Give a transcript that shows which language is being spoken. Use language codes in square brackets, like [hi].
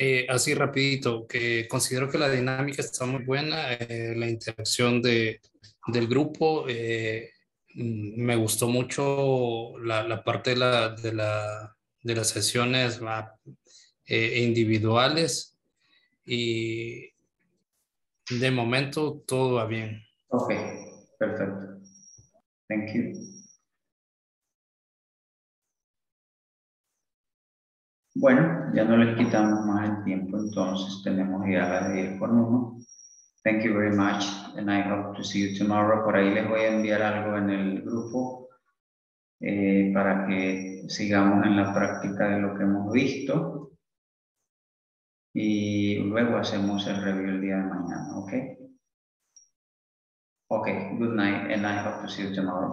[es] Así rapidito, que considero que la dinámica está muy buena, la interacción del grupo, me gustó mucho la parte de las sesiones individuales y de momento todo va bien. Ok, perfecto. [en] Thank you. [es] Bueno, ya no les quitamos más el tiempo, entonces tenemos ya la 10:1. [en] Thank you very much, and I hope to see you tomorrow. [es] Por ahí les voy a enviar algo en el grupo para que sigamos en la práctica de lo que hemos visto. Y luego hacemos el review el día de mañana, ¿ok? [en] Ok, good night, and I hope to see you tomorrow.